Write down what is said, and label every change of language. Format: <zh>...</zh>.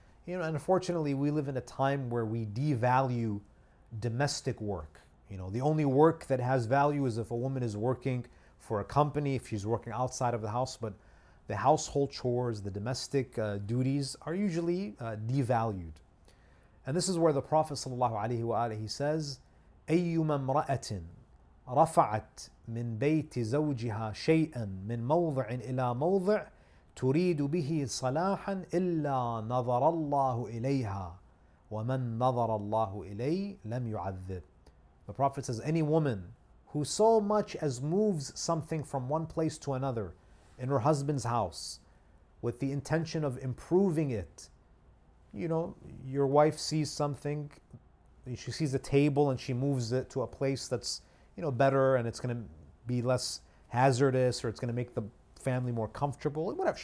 <en>You know, unfortunately, we live in a time where we devalue domestic work. You know, the only work that has value is if a woman is working for a company, if she's working outside of the house, but the household chores, the domestic duties are usually devalued.</en> <ar>And this is where the Prophet ﷺ says, أَيُّمَ امْرَأَةٍ رَفَعَتْ مِنْ بَيْتِ زَوْجِهَا شَيْئًا مِنْ مَوْضِعٍ إِلَى مَوْضِعٍ تُرِيدُ بِهِ صَلَاحًا إِلَّا نَظَرَ اللَّهُ إِلَيْهَا وَمَنْ نَظَرَ اللَّهُ إِلَيْهِ لَمْ يُعَذِّبْ.</ar> <en>The Prophet says, any woman who so much as moves something from one place to another in her husband's house with the intention of improving it, you know, your wife sees something, she sees a table and she moves it to a place that's, you know, better and it's going to be less hazardous or it's going to make the family more comfortable, whatever.</en>